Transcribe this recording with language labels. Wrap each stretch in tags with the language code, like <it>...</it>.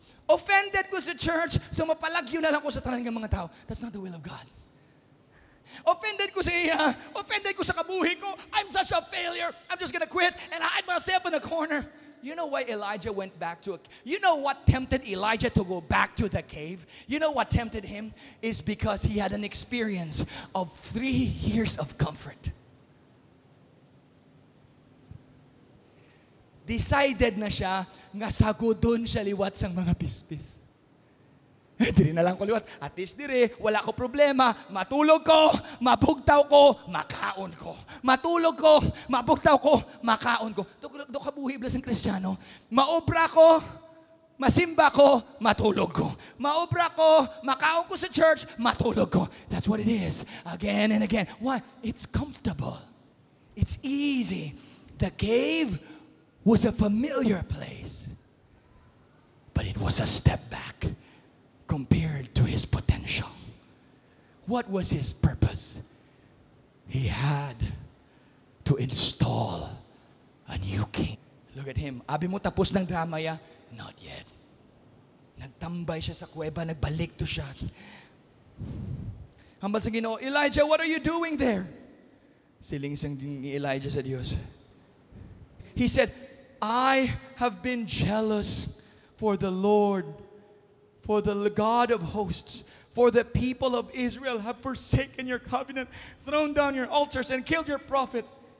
<hil>Offended ko sa church, so mapalagyo na lang ko sa tanan ng mga tao.</hil> <en>That's not the will of God.</en> <hil>Offended ko sa iya, offended ko sa kabuhi ko,</hil> <en>I'm such a failure, I'm just gonna quit and hide myself in a corner. You know why Elijah went back to a cave? You know what tempted Elijah to go back to the cave? You know what tempted him? Is because he had an experience of 3 years of comfort.</en> <hil>Decided na siya nga sagudon siya liwat sa mga bispis. Diri na lang ko liwat. At least diri, wala ko problema. Matulog ko, mabugtaw ko, makaon ko. Matulog ko, mabugtaw ko, makaon ko. Dokabuhi, blasang Kristiyano. Maobra ko, masimba ko, matulog ko. Maobra ko, makaon ko sa church, matulog ko.</hil> <en>That's what it is. Again and again. Why? It's comfortable. It's easy. The cave was a familiar place, but it was a step back compared to his potential. What was his purpose? He had to install a new king. Look at him.</en> <hil>Abi mo tapos ng drama ya?</hil> <en>Not yet.</en> <hil>Nagtambay siya sa kuweba, nagbalik to siya. Hambal sa Ginoo, Elijah,</hil> <en>what are you doing there?</en> <hil>Silingsang din ni Elijah sa Dios.</hil> <en>He said, I have been jealous for the Lord, for the God of hosts, for the people of Israel have forsaken your covenant, thrown down your altars, and killed your prophets.</en>